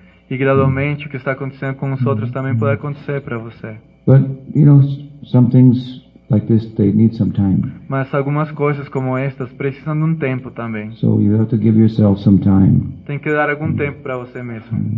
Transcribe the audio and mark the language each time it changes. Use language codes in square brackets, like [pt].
[pt] E gradualmente o que está acontecendo com os outros também pode acontecer para você. [en] But you know, some things like this they need some time. [pt] Mas algumas coisas como estas precisam de tempo também. [en] So you have to give yourself some time. [pt] Tem que dar algum tempo para você mesmo.